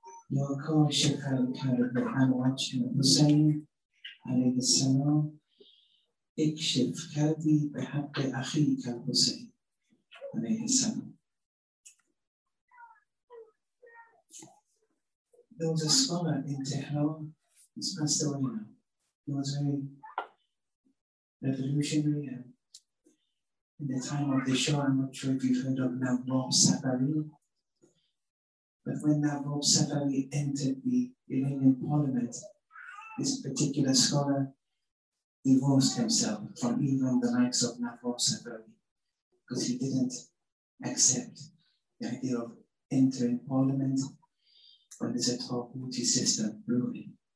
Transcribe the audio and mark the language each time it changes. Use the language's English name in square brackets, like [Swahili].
[English] Your call, Sheikh Al-Karib, and watch him the same. [Arabic] عليه السلام اكشف كربي بحق اخيك الحسين عليه السلام. [English] There was a scholar in Tehran, he's passed away now. He was very revolutionary in the time of the Shah. I'm not sure if you've heard of Nawab Safavi. But when Nawab Safavi entered the Iranian parliament, this particular scholar divorced himself from even the likes of Nawab Safavi because he didn't accept the idea of entering parliament when there's a Taghuti system ruling.